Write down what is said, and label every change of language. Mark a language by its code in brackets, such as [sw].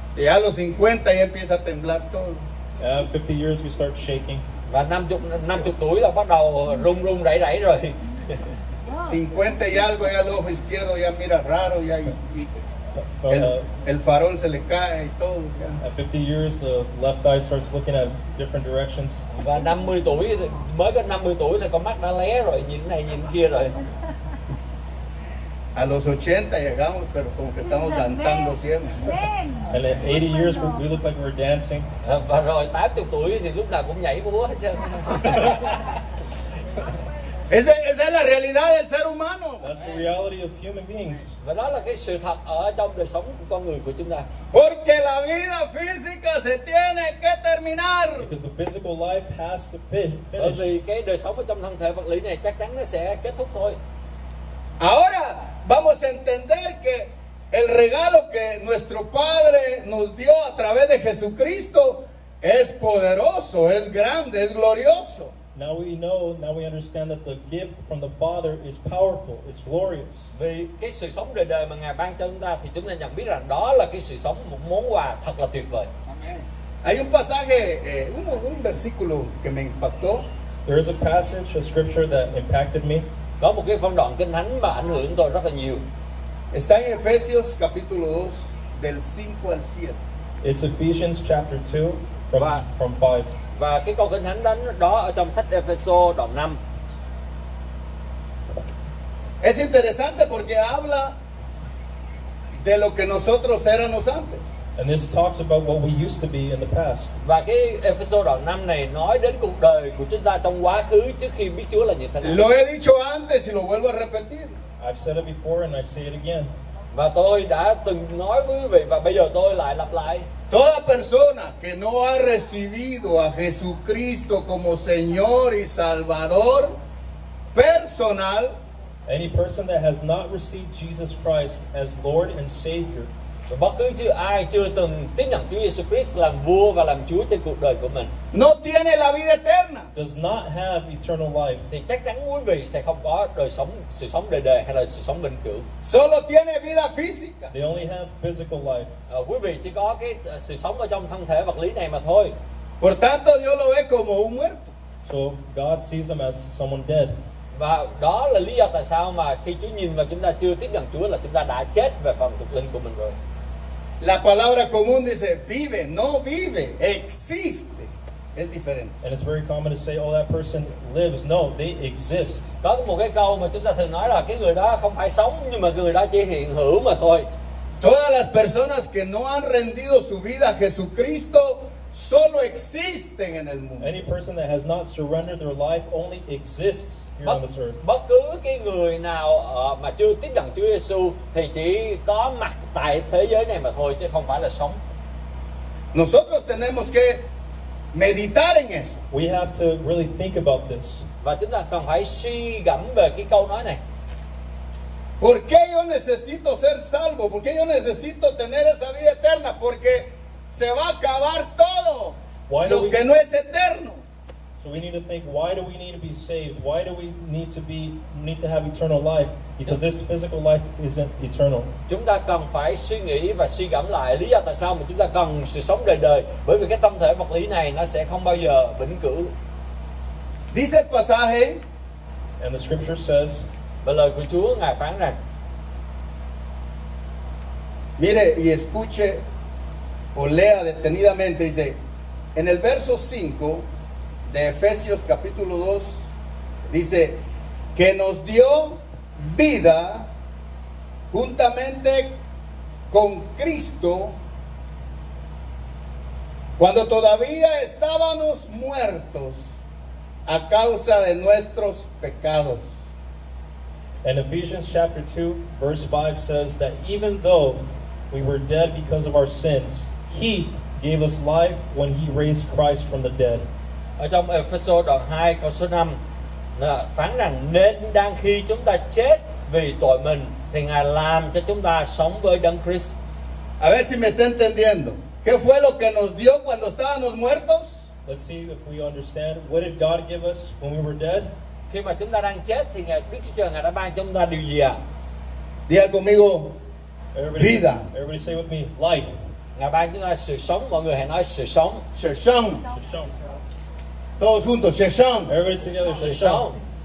[es] Y a los 50 ya empieza a temblar todo. [en] Yeah, 50 years we start shaking. [vi] Và 50 tuổi là bắt đầu rung rung rẩy rẩy rồi. [es] 50 y algo ya el ojo izquierdo ya mira raro ya y el farol se le cae y todo. [en] At 50 years the left eye starts looking at different directions. [vi] Và 50 tuổi mới có 50 tuổi thì con mắt đã lé rồi, nhìn này nhìn kia rồi. [es] A los 80 llegamos pero como que estamos danzando siempre. [en] And at 80 years we look like we're dancing. [vi] Và rồi 80 tuổi thì lúc nào cũng nhảy múa hết trơn. [es] Esa es la realidad del ser humano. [en] That's the reality of human beings. [vi] Và đó là cái sự thật ở trong đời sống của con người của chúng ta. [es] Porque la vida física se tiene que terminar. [en] Because the physical life has to finish. [vi] Bởi vì cái đời sống ở trong thân thể vật lý này chắc chắn nó sẽ kết thúc thôi. [es] Ahora vamos a entender que el regalo que nuestro Padre nos dio a través de Jesucristo es poderoso, es grande, es glorioso. [en] Now we know, now we understand that the gift from the Father is powerful, it's glorious. [vi] Vì cái sự sống đời đời mà Ngài ban cho chúng ta thì chúng ta nhận biết rằng đó là cái sự sống một món quà thật là tuyệt vời. [es] Amen. Hay un pasaje, un versículo que me impactó. [en] There is a passage, a scripture that impacted me. [vi] Có một cái phân đoạn kinh thánh mà ảnh hưởng tôi rất là nhiều. [es] Está en Efesios capítulo 2 del 5 al 7. [en] It's Ephesians chapter 2 from 5. [vi] Và cái câu kinh thánh đó ở trong sách Efeso đoạn 5. [es] Es interesante porque habla de lo que nosotros éramos antes. [en] And this talks about what we used to be in the past. [vi] Và cái Efeso đoạn 5 này nói đến cuộc đời của chúng ta trong quá khứ trước khi biết Chúa là như thế nào. [es] Lo he dicho antes y lo vuelvo a repetir. [en] I've said it before and I say it again. [vi] Và tôi đã từng nói với quý vị và bây giờ tôi lại lặp lại. [es] Toda persona que no ha recibido a Jesucristo como Señor y Salvador personal, [en] any person that has not received Jesus Christ as Lord and Savior, [vi] bất cứ chứ ai chưa từng tiếp nhận Chúa Jesus Christ làm vua và làm Chúa trên cuộc đời của mình, [es] no tiene la vida eterna, [en] does not have eternal life, [vi] thì chắc chắn quý vị sẽ không có đời sống, sự sống đời đời hay là sự sống vĩnh cửu. [es] Solo tiene vida física. [en] They only have physical life. [vi] Quý vị chỉ có cái sự sống ở trong thân thể vật lý này mà thôi. [es] Por tanto, Dios lo ve como un muerto. [en] So God sees them as someone dead. [vi] Và đó là lý do tại sao mà khi Chúa nhìn vào chúng ta chưa tiếp nhận Chúa là chúng ta đã chết về phần thuộc linh của mình rồi. [es] La palabra común dice vive, no vive, existe. Es diferente. [en] And it's very common to say, oh, that person lives. No, they exist. [vi] Có một cái câu mà chúng ta thường nói là cái người đó không phải sống, nhưng mà người đó chỉ hiện hữu mà thôi. [es] Todas las personas que no han rendido su vida a Jesucristo solo existen en el mundo. [en] Any person that has not surrendered their life only exists here on this earth. [vi] Bất cứ cái người nào mà chưa tiếp nhận Chúa Giêsu thì chỉ có mặt tại thế giới này mà thôi chứ không phải là sống. [es] Nosotros tenemos que meditar en eso. [en] We have to really think about this. [vi] Và chúng ta cần phải suy gẫm về cái câu nói này. [es] ¿Por qué yo necesito ser salvo? ¿Por qué yo necesito tener esa vida eterna? Porque se va a acabar todo. [en] Why [es] lo que no es eterno. [en] So we need to think, why do we need to be saved? Why do we need to be need to have eternal life? Because this physical life isn't eternal. [vi] Chúng ta cần phải suy nghĩ và suy gẫm lại lý do tại sao mà chúng ta cần sự sống đời đời, bởi vì cái thân thể vật lý này nó sẽ không bao giờ vĩnh cửu. [es] Dice el pasaje, [en] and the scripture says, [vi] và lời của Chúa ngài phán rằng, [es] mire y escuche o lea detenidamente, dice, en el verso 5 de Efesios capítulo 2, dice, que nos dio vida juntamente con Cristo cuando todavía estábamos muertos a causa de nuestros pecados. [en] And Ephesians chapter 2 verse 5 says that even though we were dead because of our sins, he gave us life when he raised Christ from the dead. [vi] Ở trong Ephesos đoạn 2 câu số 5 phán rằng nên đang khi chúng ta chết vì tội mình thì ngài làm cho chúng ta sống với Đấng Christ. [es] A ver si me está entendiendo. ¿Qué fue lo que nos dio cuando estábamos muertos? [en] Let's see if we understand. What did God give us when we were dead? [vi] Khi mà chúng ta đang chết thì ngài Đức Chúa Trời ngài đã ban chúng ta điều gì ạ? [es] Diga conmigo. [en] Everybody, [es] vida. [en] Everybody say with me. Life. [vi] Ngài ban chúng ta sự sống. Mọi người hãy nói sự sống. Sự sống. [es] Todos juntos. [vi] Sự sống. [en] Everybody together. [vi] Sự sống.